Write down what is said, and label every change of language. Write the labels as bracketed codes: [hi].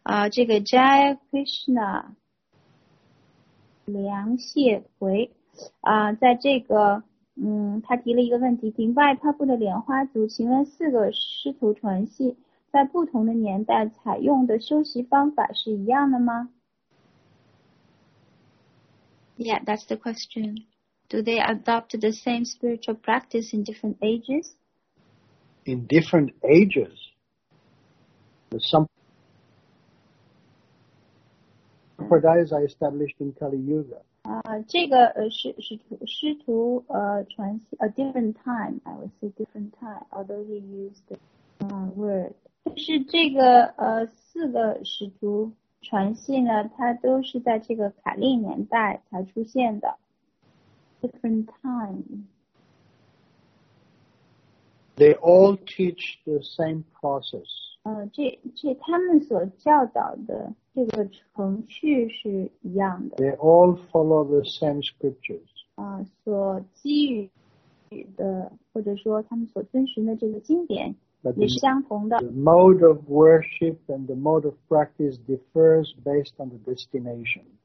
[zh] 这个 Jaya Krishna 梁谢奎在这个他提了一个问题，顶拜帕布的莲花族，请问四个师徒传系在不同的年代采用的修习方法是一样的吗 [en] ？Yeah, that's the question. Do they adopt the same spiritual practice in different ages? In different ages, there's some sampradayas are established in Kali Yuga. [zh] 这个师徒传系 [en] a different time, I would say different time, although he used the word [zh] 是这个四个使徒传系呢，它都是在这个卡利年代才出现的。 [en] Different time. They all teach the same process. [zh] 这他们所教导的这个程序是一样的。 [en] They all follow the same scriptures. [zh] 所基于的或者说他们所遵循的这个经典也是相同的。 [en] The mode of worship and the mode of practice differs based on the destination.